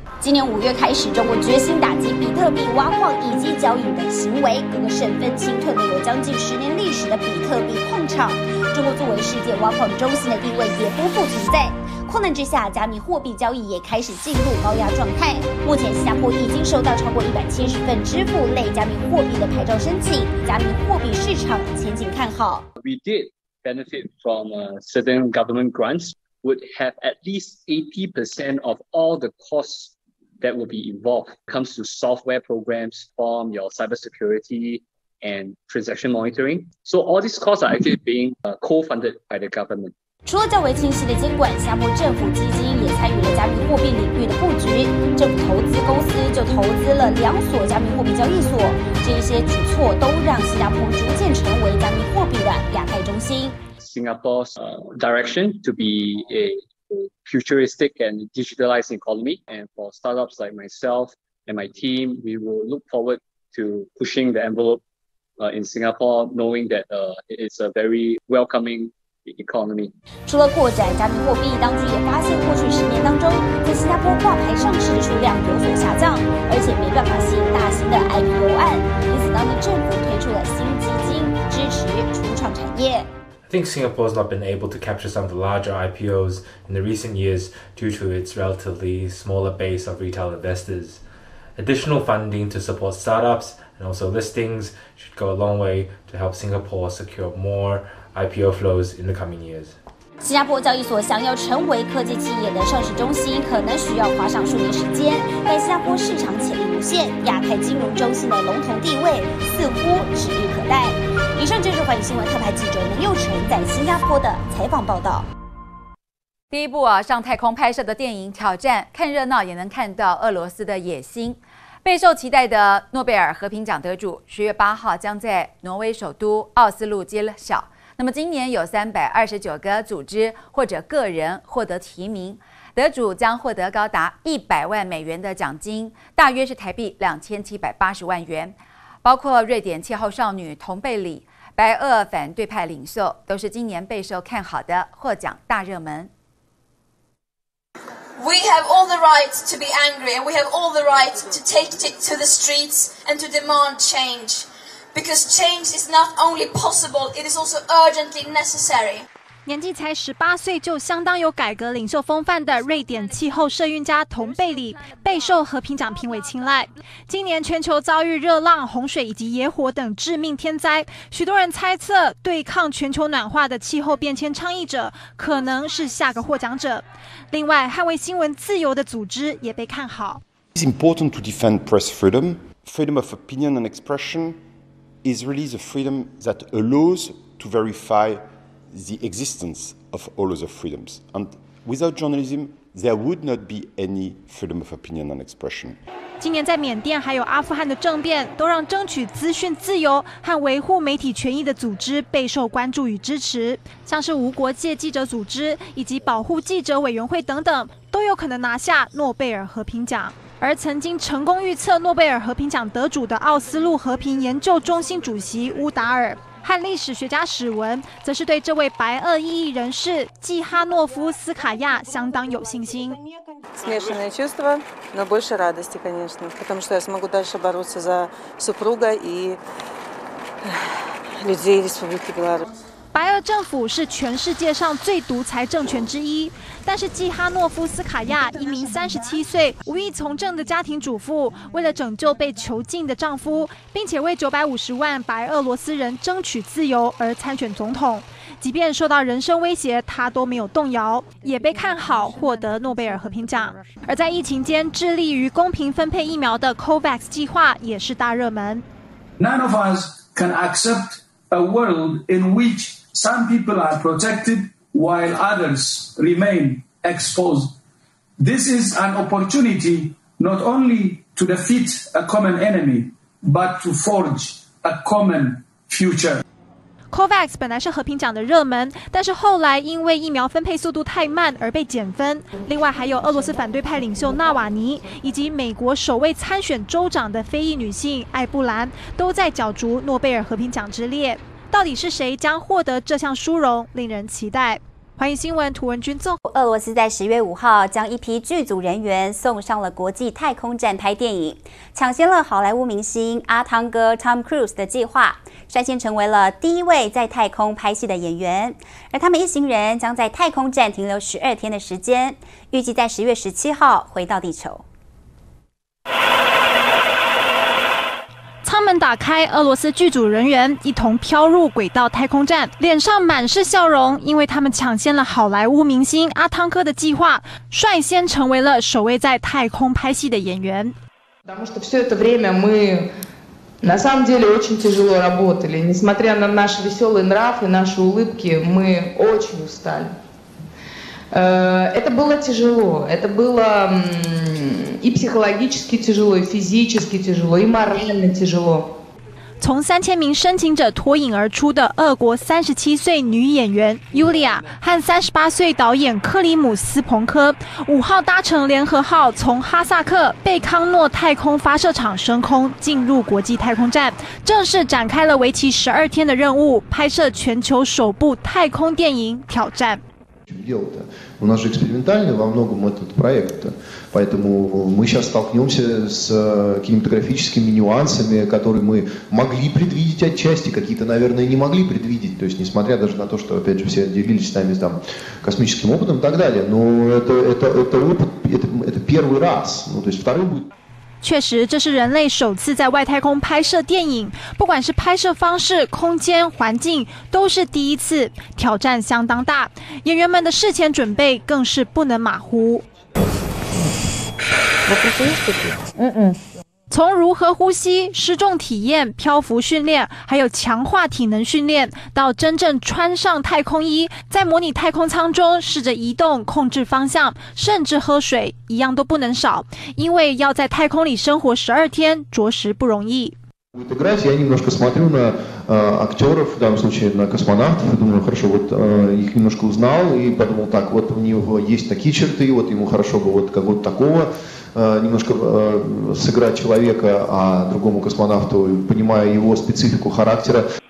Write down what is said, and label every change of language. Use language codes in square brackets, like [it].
[zh] 今年5月开始，中国决心打击比特币挖矿以及交易等行为，各个省份清退了有将近10年历史的比特币矿场。中国作为世界挖矿中心的地位也不复存在。困难之下，加密货币交易也开始进入高压状态。目前，新加坡已经收到超过170份支付类加密货币的牌照申请，加密货币市场前景看好。 [en] We did benefit from certain government grants, would have at least 80% of all the costs. That will be involved comes to software programs, form your cybersecurity and transaction monitoring. So all these costs are actually being co-funded by the government. [zh] 除了较为清晰的监管，新加坡政府基金也参与了加密货币领域的布局。政府投资公司就投资了2所加密货币交易所。这一些举措都让新加坡逐渐成为加密货币的亚太中心。 [en] Singapore's direction to be a futuristic and digitalized economy. And for startups like myself and my team, we will look forward to pushing the envelope in Singapore, knowing that it's a very welcoming economy. [zh] 除了扩展加密货币，当局也发现过去10年当中，在新加坡挂牌上市数量有所下降，而且没办法吸引大型的 IPO 案。因此，当地政府推出了新基金，支持初创产业。 [en] I think Singapore has not been able to capture some of the larger IPOs in the recent years due to its relatively smaller base of retail investors. Additional funding to support startups and also listings should go a long way to help Singapore secure more IPO flows in the coming years. [zh] 新加坡交易所想要成为科技企业的上市中心，可能需要花上数年时间。但新加坡市场潜力无限，亚太金融中心的龙头地位似乎指日可待。以上就是环宇新闻特派记者门佑成在新加坡的采访报道。第一部啊，上太空拍摄的电影《挑战》，看热闹也能看到俄罗斯的野心。备受期待的诺贝尔和平奖得主，10月8号将在挪威首都奥斯陆揭晓。那么今年有329个组织或者个人获得提名，得主将获得高达100万美元的奖金，大约是台币2780万元。包括瑞典气候少女同贝里、白俄反对派领袖，都是今年备受看好的获奖大热门。 [en] We have all the right to be angry, and we have all the right to take it to the streets and to demand change. Because change is not only possible, it is also urgently necessary. [zh] 年纪才18岁就相当有改革领袖风范的瑞典气候社运家同贝里，备受和平奖评委青睐。今年全球遭遇热浪、洪水以及野火等致命天灾，许多人猜测对抗全球暖化的气候变迁倡议者可能是下个获奖者。另外，捍卫新闻自由的组织也被看好。 [en] It's important to defend press freedom, freedom of opinion and expression. is really the freedom that allows to verify the existence of all other freedoms. And without journalism, there would not be any freedom of opinion and expression. [zh] 今年在缅甸还有阿富汗的政变，都让争取资讯自由和维护媒体权益的组织备受关注与支持。像是无国界记者组织以及保护记者委员会等等，都有可能拿下诺贝尔和平奖。而曾经成功预测诺贝尔和平奖得主的奥斯陆和平研究中心主席乌达尔和历史学家史文，则是对这位白俄异议人士季哈诺夫斯卡亚相当有信心。 [ru] Смешанные чувства, но больше радости, конечно, потому что я смогу дальше бороться за супруга и людей Республики Беларусь. [zh] 白俄政府是全世界上最独裁政权之一，但是季哈诺夫斯卡亚，一名37岁无意从政的家庭主妇，为了拯救被囚禁的丈夫，并且为950万白俄罗斯人争取自由而参选总统。即便受到人身威胁，他都没有动摇，也被看好获得诺贝尔和平奖。而在疫情间致力于公平分配疫苗的 COVAX 计划也是大热门。 [en] None of us can accept a world in which some people are protected while others remain exposed. This is an opportunity not only to defeat a common enemy, but to forge a common future. [zh] COVAX 本来是和平奖的热门，但是后来因为疫苗分配速度太慢而被减分。另外还有俄罗斯反对派领袖纳瓦尼，以及美国首位参选州长的非裔女性艾布兰，都在角逐诺贝尔和平奖之列。到底是谁将获得这项殊荣，令人期待。欢迎新闻图文君综。俄罗斯在10月5号将一批剧组人员送上了国际太空站拍电影，抢先了好莱坞明星阿汤哥 Tom Cruise 的计划，率先成为了第一位在太空拍戏的演员。而他们一行人将在太空站停留12天的时间，预计在10月17号回到地球。舱门打开，俄罗斯剧组人员一同飘入轨道太空站，脸上满是笑容，因为他们抢先了好莱坞明星阿汤哥的计划，率先成为了首位在太空拍戏的演员。 [ru] Потому что все это время мы на самом деле очень тяжело работали, несмотря на наш веселый нрав и наши улыбки, мы очень устали. Это было тяжело. Это было и психологически тяжело, и физически тяжело, и морально тяжело. [zh] 从3000名申请者脱颖而出的俄国37岁女演员 Yulia 和38岁导演克里姆斯彭科，5号搭乘联合号从哈萨克贝康诺太空发射场升空，进入国际太空站，正式展开了为期12天的任务，拍摄全球首部太空电影《挑战》。 [ru] Дело-то у нас же экспериментальный во многом этот проект, поэтому мы сейчас столкнемся с кинематографическими нюансами, которые мы могли предвидеть отчасти, какие-то, наверное, не могли предвидеть, то есть несмотря даже на то, что опять же все делились с нами там космическим опытом и так далее, но это опыт, это первый раз, ну то есть второй будет... [zh] 确实，这是人类首次在外太空拍摄电影，不管是拍摄方式、空间、环境，都是第一次，挑战相当大。演员们的事前准备更是不能马虎。从如何呼吸、失重体验、漂浮训练，还有强化体能训练，到真正穿上太空衣，在模拟太空舱中试着移动、控制方向，甚至喝水，一样都不能少，因为要在太空里生活12天，着实不容易。 [ru] Я немножко смотрю на актеров, в данном случае на космонавтов, и думаю, хорошо, вот их немножко узнал, и подумал, так, вот у него есть такие черты, вот ему хорошо бы вот как вот такого. Немножко сыграть человека, а другому космонавту, понимая его специфику характера.